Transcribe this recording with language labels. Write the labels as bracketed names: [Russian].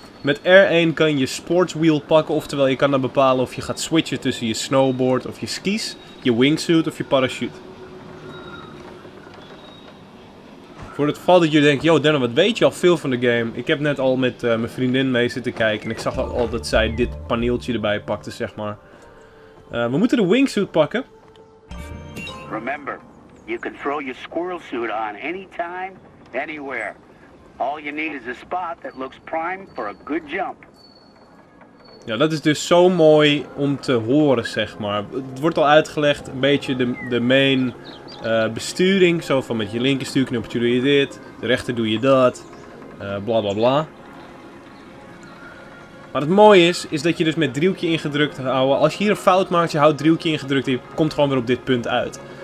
[Dutch] Met R1 kan je sportswheel pakken, oftewel je kan dan bepalen of je gaat switchen tussen je snowboard of je skis, je wingsuit of je parachute. Voor het geval dat je denkt, yo Denno, wat weet je al veel van de game? Ik heb net al met mijn vriendin mee zitten kijken en ik zag al dat zij dit paneeltje erbij pakte, zeg maar. We moeten de wingsuit pakken. [English] Remember, you can throw your squirrel suit on anytime, anywhere. All you need is a spot that looks prime for a good jump. [Dutch] Ja, dat is dus zo mooi om te horen, zeg maar. Het wordt al uitgelegd, een beetje de main besturing. Zo van met je linkerstuurknopje doe je dit, de rechter doe je dat, bla bla bla. Maar het mooie is dat je dus met driehoekje ingedrukt houden. Als je hier een fout maakt, je houdt driehoekje ingedrukt, je komt gewoon weer op dit punt uit.